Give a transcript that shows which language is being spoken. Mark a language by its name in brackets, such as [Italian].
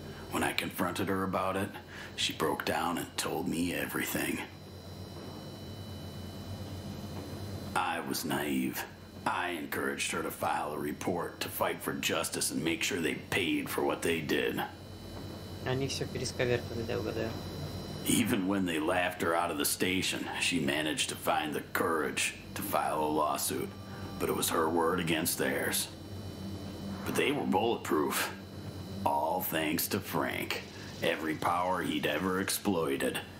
[English] When I confronted her about it, she broke down and told me everything. I was naive. I encouraged her to file a report to fight for justice and make sure they paid for what they did. [Russian] Они все пересковеркали, да, угадаю. [English] Even when they laughed her out of the station, she managed to find the courage to file a lawsuit. But it was her word against theirs. But they were bulletproof. All thanks to Frank. Every power he'd ever exploited.